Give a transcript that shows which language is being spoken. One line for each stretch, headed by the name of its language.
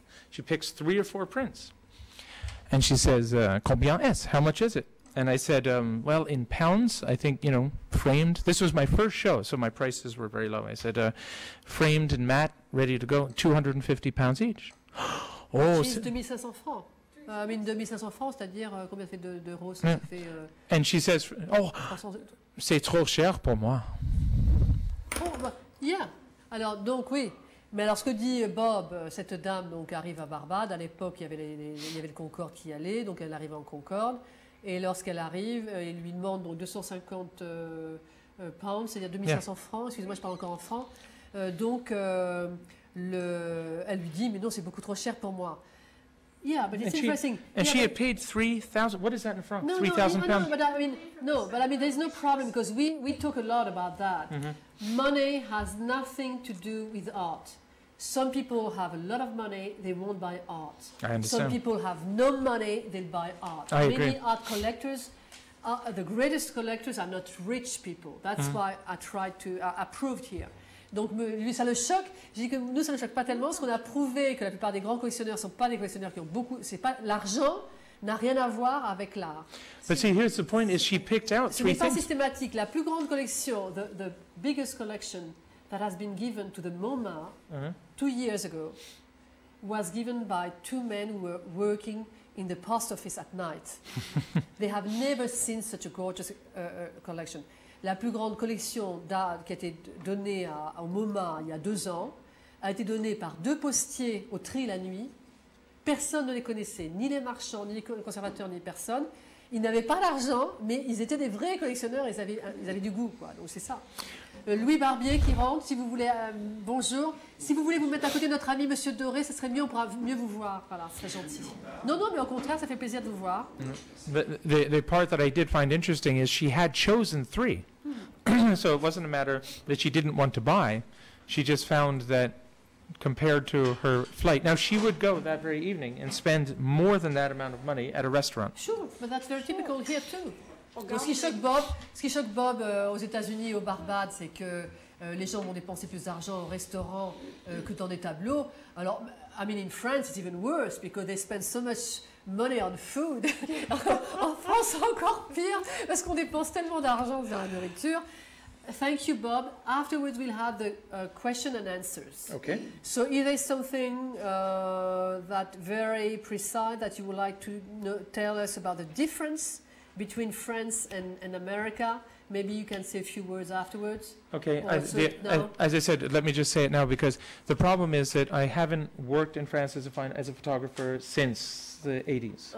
English: She picks 3 or 4 prints. And she says,
French: combien est-ce?
English: How much is it? And I said, well, in pounds, I think, you know, framed. This was my first show, so my prices were very low. I said, framed and matte, ready to go, £250 each.
French: Oh, c'est 2500 francs. 2500 francs, c'est-à-dire combien ça fait d'euros, ça fait.
English: And she says,
French: oh, c'est trop cher pour moi. Oh, bah, yeah. Alors donc oui. Mais alors ce que dit Bob, cette dame donc arrive à Barbade. À l'époque, il y avait le Concorde qui allait, donc elle arrive en Concorde. Et lorsqu'elle arrive, il lui demande donc 250 pounds, c'est-à-dire 2500 yeah. francs. Excusez-moi, je parle encore en francs. Elle lui dit, mais non, c'est beaucoup trop cher pour moi.
English: Yeah, but it's interesting. And she had paid 3,000. What is that in France? No, 3,000 pounds. No, but I mean, there's no problem because we talk a lot about that. Mm-hmm. Money has nothing to do with art. Some people have a lot of money, they won't buy art. I understand. Some people have no money, they'll buy art. I agree. Many art collectors, the greatest collectors are not rich people. That's why I tried to approve here.
French: Donc, lui, ça le choque. J'ai dit que nous, ça ne choque pas tellement. Ce qu'on a prouvé que la plupart des grands collectionneurs ne sont pas des collectionneurs qui ont beaucoup. C'est pas l'argent n'a rien à voir avec l'art.
English: But see, here's the point: is she picked out three things?
French: Ce n'est pas systématique. La plus grande collection,
English: the biggest collection that has been given to the MoMA 2 years ago, was given by two men who were working in the post office at night. They have never seen such a gorgeous collection.
French: La plus grande collection d'art qui a été donnée au MoMA il y a 2 ans a été donnée par 2 postiers au tri la nuit. Personne ne les connaissait, ni les marchands, ni les conservateurs, ni personne. Ils n'avaient pas l'argent, mais ils étaient des vrais collectionneurs. Ils avaient du goût, quoi. Donc c'est ça. Louis Barbier qui rentre, si vous voulez, bonjour. Si vous voulez vous mettre à côté de notre ami Monsieur Doré, ce serait mieux, on pourra mieux vous voir. Voilà, ce serait gentil. Non, non, mais au contraire, ça fait plaisir de vous voir.
English: The part that I did find interesting is she had chosen three. So it wasn't a matter that she didn't want to buy. She just found that compared to her flight. Now, she would go that very evening and spend more than that amount of money at a restaurant. Sure, but that's very typical here too.
French: Donc, ce qui choque Bob aux États-Unis, au Barbade, c'est que les gens vont dépenser plus d'argent au restaurant que dans des tableaux.
English: Alors, I mean, in France, it's even worse because they spend so much money on food.
French: En France, encore pire, parce qu'on dépense tellement d'argent sur la nourriture.
English: Thank you, Bob. Afterwards, we'll have the question and answers. Okay. So, is there something that very precise that you would like to tell us about the difference between France and America? Maybe you can say a few words afterwards. Okay. As I said, let me just say it now, because the problem is that I haven't worked in France as a photographer since the 80s.